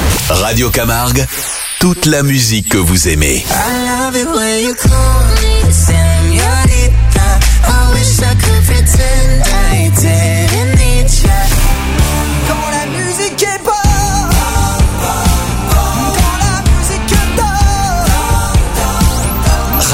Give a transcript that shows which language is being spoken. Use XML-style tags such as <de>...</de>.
<fr>Radio Camargue, toute la musique que vous aimez.</fr> <en>I love it when you call me señorita. I wish I could pretend I didn't need you.</en> <fr>Quand la musique est bonne, quand la musique est bonne.</fr>